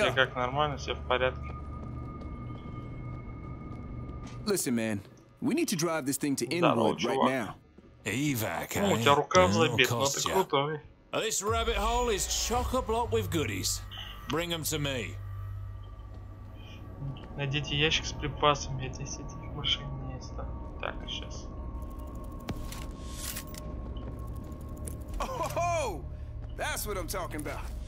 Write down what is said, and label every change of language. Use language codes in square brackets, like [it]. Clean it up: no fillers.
[ru] up. Все как нормально, все в порядке. [en] Listen, man, we need to drive this thing to Inwood right now. Evac, [ru] ну, у тебя рука в забитом, но ты крутой. [en] This rabbit hole is chock-a-block with goodies. Bring them to me. [ru] Найдите ящик с припасами, я здесь этих машин не оставлю. Так, сейчас. [en] О-хо-хо! That's what I'm talking about.